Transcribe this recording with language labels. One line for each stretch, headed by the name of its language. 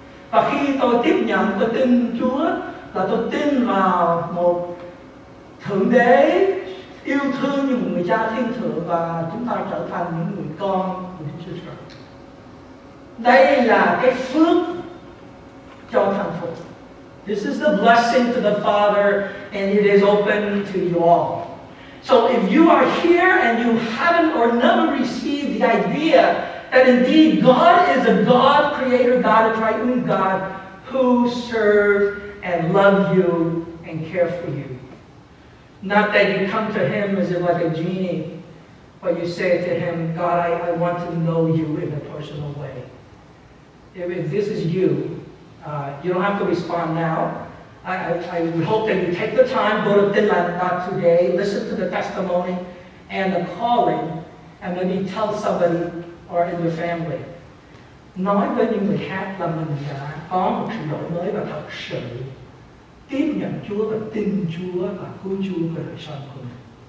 Vietnamese: Và khi tôi tiếp nhận, tôi tin Chúa là tôi tin vào một thượng đế yêu thương như một người cha thiên thượng, và chúng ta trở thành những người con của Đức Chúa Trời. Đây là cái phước cho thân phụ.
English: This is the blessing to the Father, and it is open to you all. So if you are here and you haven't or never received the idea that indeed God is a God, creator God, a triune God, who serves and love you and care for you. Not that you come to him as if like a genie, but you say to him, God, I want to know you in a personal way. If this is you, you don't have to respond now. I would hope that you take the time, go to Tinlandat today, listen to the testimony and the calling, and maybe tell somebody or in your family.
Vietnamese: Nói với những người khác là mình đã có một sự đổi mới và thật sự tiếp nhận Chúa và tin Chúa và cứu Chúa về đời sống của mình.